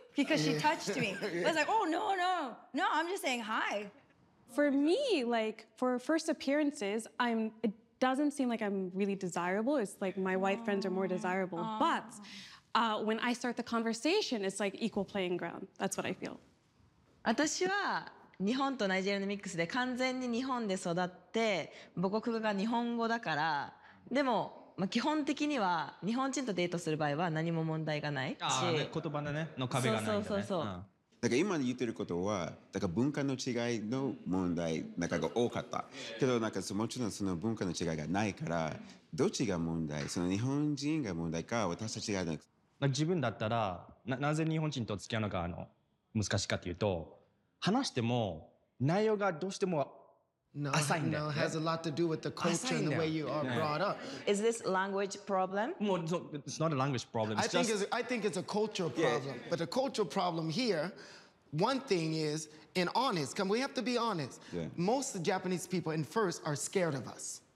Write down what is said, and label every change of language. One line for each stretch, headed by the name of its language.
English: Because she touched me. I was like, oh, no, I'm just saying hi. For me, like, for first appearances, it doesn't seem like I'm really desirable. It's like my white friends are more desirable. Aww. But when I start the conversation, it's like equal playing ground. That's what I feel.
Japanese: 私は日本とナイジェリアのミックスで完全に日本で育って、母国語が日本語だから、でも、まあ、基本的には日本人とデートする場合は何も問題がないし、言葉の壁がないんだね。そう、うん、だから今言ってることはだから文化の違いの問題なんかが多かったけど、なんかもちろんその文化の違いがないから、どっちが問題、その日本人が問題か私たちが、自分だったら なぜ日本人と付き合うのが難しいかというと、話しても内容がどうしても
English: No, it has a lot to do with the culture and the way you are brought up. Is this language problem? No, it's not a language problem. I think it's a cultural problem. Yeah. But the cultural problem here, one thing is, and honest, we have to be honest. Yeah. Most of the Japanese people in first are scared of us.